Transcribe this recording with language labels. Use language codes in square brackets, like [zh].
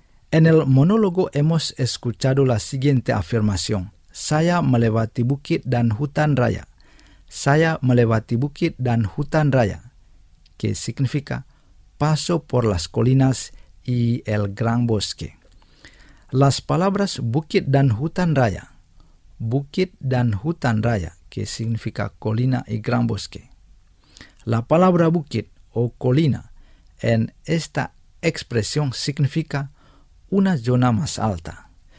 [es] En el monólogo hemos escuchado la siguiente afirmación. [id] Saya melewati bukit dan hutan raya. Saya melewati bukit dan hutan raya. [es] Que significa paso por las colinas y el gran bosque. Las palabras [id] bukit dan hutan raya. Bukit dan hutan raya, [es] que significa colina y gran bosque. La palabra bukit o colina en esta expresión significa una zona más alta.